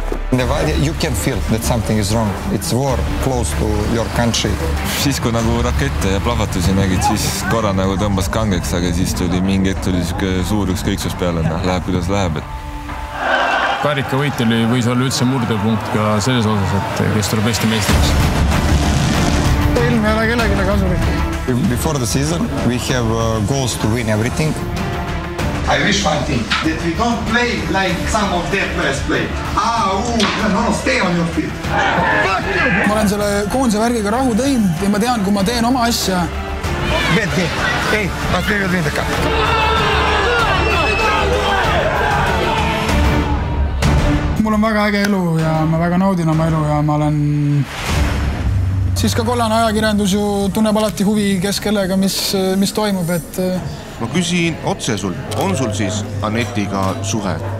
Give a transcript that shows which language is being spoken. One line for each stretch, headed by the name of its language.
English: Levadia, you can feel that something is wrong. It's war close to your country.
Estonian: Siis kui nagu rakette ja plahvatusi nägid, siis korra nagu tõmbas kangeks, aga siis tuli mingi hetk tuli suur üks kõiksus peale, läheb kuidas läheb. Karika võit oli võis olla üldse murdepunkt ka selles osas, et kes tuleb Eesti meistriks. Ilm ei ole kellegile kasulik.
English: Before the season, we have goals to win everything. I wish one thing, that we don't play like some of their players play. No, stay on your feet.
Estonian: Ma olen selle koondise värgiga rahu teinud ja ma tean, kui ma teen oma asja.
English: Betty, hey, but we will win the cup.
Estonian: Mul on väga äge elu ja ma väga naudin oma elu ja ma olen... Siis ka kollane ajakirjandus ju tunneb alati huvi, kes kellega, mis toimub, et... Ma küsin otse sul. On sul siis Anetiga suhe?